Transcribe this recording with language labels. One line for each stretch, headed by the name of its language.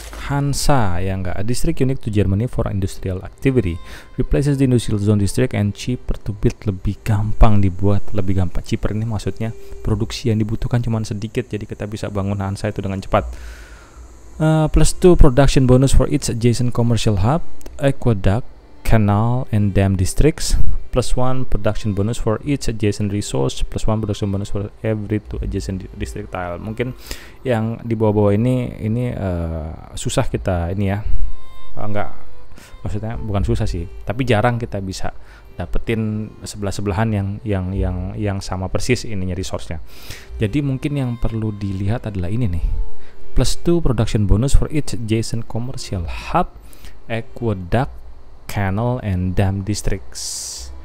English: Hansa,
Indonesian: ya enggak,
English: a district unique to Germany for industrial activity. Replaces the industrial zone district and cheaper to build.
Indonesian: Lebih gampang dibuat, lebih gampang. Cheaper ini maksudnya produksi yang dibutuhkan cuma sedikit, jadi kita bisa bangun Hansa itu dengan cepat.
English: Plus 2 production bonus for each adjacent commercial hub, aqueduct, canal, and dam districts. Plus 1 production bonus for each adjacent resource. Plus 1 production bonus for every 2 adjacent district tile.
Indonesian: Mungkin yang di bawah-bawah ini susah kita ini ya. Enggak, maksudnya bukan susah sih, tapi jarang kita bisa dapetin sebelah-sebelahan yang sama persis ininya resource-nya. Jadi mungkin yang perlu dilihat adalah ini nih.
English: Plus 2 production bonus for each adjacent commercial hub, aqueduct, canal, and dam districts.